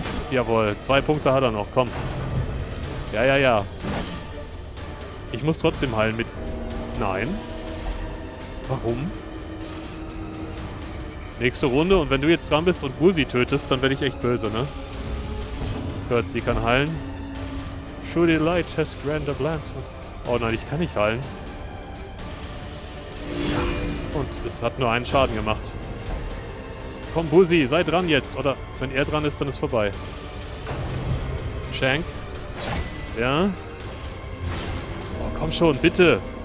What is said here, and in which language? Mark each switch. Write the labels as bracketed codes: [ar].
[de] Jawohl, 2 Punkte hat er noch. Komm. Ja, ja, ja. Ich muss trotzdem heilen mit... Nein. Warum? Nächste Runde und wenn du jetzt dran bist und Bursi tötest, dann werde ich echt böse, ne? Gott, sie kann heilen. [en] Truly light has grander plans. [de] Oh nein, ich kann nicht heilen. Und es hat nur einen Schaden gemacht. Komm, Bursi, sei dran jetzt. Oder wenn er dran ist, dann ist vorbei. Shank. Ja. Oh, komm schon, bitte.